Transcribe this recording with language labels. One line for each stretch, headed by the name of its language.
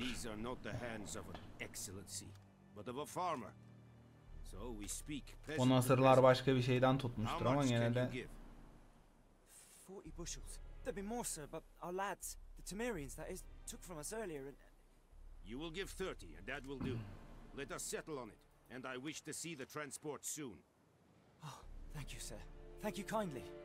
English: These are not the hands of an excellency, but of a farmer. So we speak.
Turkish: O nasırlar başka bir şeyden tutmuştur ama gene de.
English: 40 bushels. There'd be more, sir, but our lads, the Temerians, that is, took from us earlier and... You will give 30, and that will do. Let us settle on it, and I wish to see the transport soon. Oh, thank you, sir. Thank you kindly.